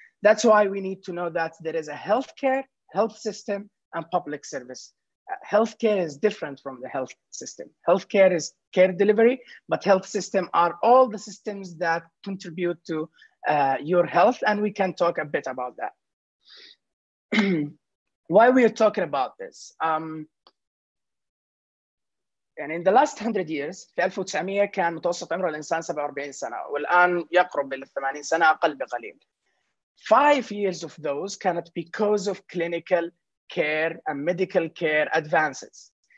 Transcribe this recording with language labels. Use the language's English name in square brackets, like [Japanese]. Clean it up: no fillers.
[English] That's why we need to know that there is a healthcare, health system, and public service. Healthcare is different from the health system. Healthcare is care delivery, but health system are all the systems that contribute to your health, and we can talk a bit about that. Why we are talking about this? And in the last 100 years, [Arabic] في 1900 كان متوسط عمر الإنسان 47 سنة والآن يقرب إلى 80 سنة أقل بقليل. [English] 5 years of those cannot be because of clinical care and medical care advances.